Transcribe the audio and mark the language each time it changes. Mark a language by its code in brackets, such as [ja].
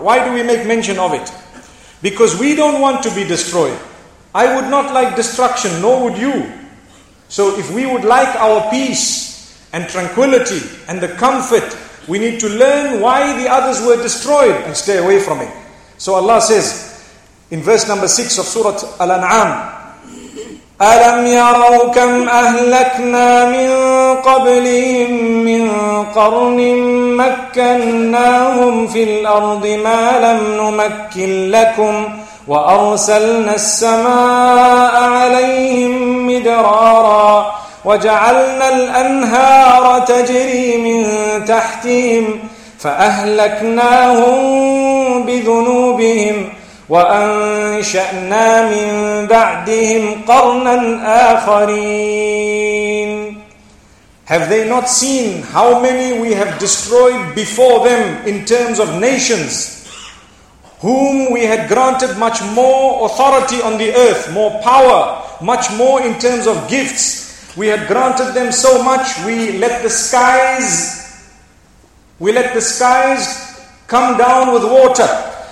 [en] Why do we make mention of it? Because we don't want to be destroyed. I would not like destruction, nor would you. So if we would like our peace and tranquility and the comfort, we need to learn why the others were destroyed and stay away from it. So Allah says, in verse number 6 of Surah Al-An'am, [ar] أَلَمْ يَرَوْا كَمْ أَهْلَكْنَا مِنْ قَبْلِهِمْ مِنْ قَرْنٍ مَكَّنَّاهُمْ فِي الْأَرْضِ مَا لَمْ نُمَكِّنْ لَكُمْ وَأَرْسَلْنَا السَّمَاءَ عَلَيْهِمْ مِدْرَارًا وَجَعَلْنَا الْأَنْهَارَ تَجْرِي مِنْ تَحْتِهِمْ فَأَهْلَكْنَاهُمْ بِذُنُوبِهِمْ وَأَنْشَأْنَا مِنْ بَعْدِهِمْ قَرْنًا آخَرِينَ. [en] Have they not seen how many we have destroyed before them in terms of nations, whom we had granted much more authority on the earth, more power, much more in terms of gifts. We had granted them so much, we let the skies come down with water.